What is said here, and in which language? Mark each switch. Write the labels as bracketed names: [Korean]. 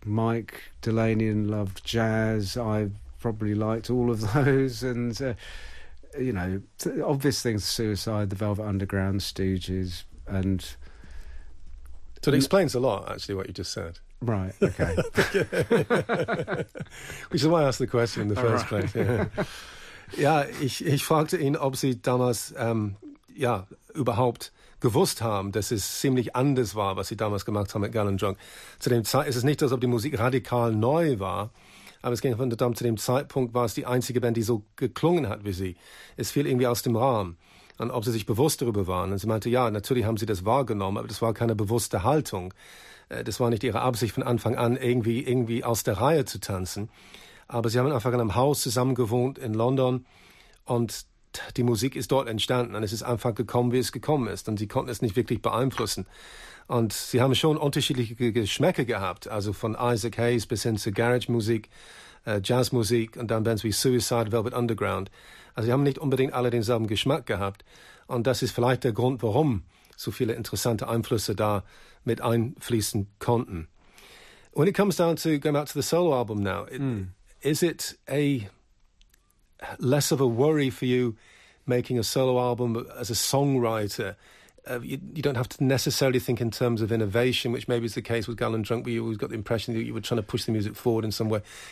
[English] Mike Delanian loved jazz. I probably liked all of those. And, you know, obvious things, Suicide, the Velvet Underground, Stooges. And so it explains a lot, actually, what you just said. Right, OK. Which is why I asked the question in the first place. [German] Ja, ich fragte ihn, ob sie damals überhaupt gewusst haben, dass es ziemlich anders war, was sie damals gemacht haben mit Gallen Drunk. Zu dem Zeit ist es nicht, als ob die Musik radikal neu war, aber es ging von der Dame, zu dem Zeitpunkt war es die einzige Band, die so geklungen hat wie sie. Es fiel irgendwie aus dem Rahmen. Und ob sie sich bewusst darüber waren. Und sie meinte, ja, natürlich haben sie das wahrgenommen, aber das war keine bewusste Haltung. Das war nicht ihre Absicht von Anfang an, irgendwie aus der Reihe zu tanzen. Aber sie haben einfach in einem Haus zusammen gewohnt in London und die Musik ist dort entstanden und es ist einfach gekommen, wie es gekommen ist. Und sie konnten es nicht wirklich beeinflussen. Und sie haben schon unterschiedliche Geschmäcker gehabt, also von Isaac Hayes bis hin zu Garage-Musik, Jazz-Musik und dann Bands wie Suicide, Velvet Underground. Also sie haben nicht unbedingt alle denselben Geschmack gehabt. Und das ist vielleicht der Grund, warum so viele interessante Einflüsse da mit einfließen konnten. [English] When it comes down to going back to the solo album now, is it a less of a worry for you making a solo album as a songwriter? You don't have to necessarily think in terms of innovation, which maybe is the case with Gallen Drunk, where you always got the impression that you were trying to push the music forward in some way.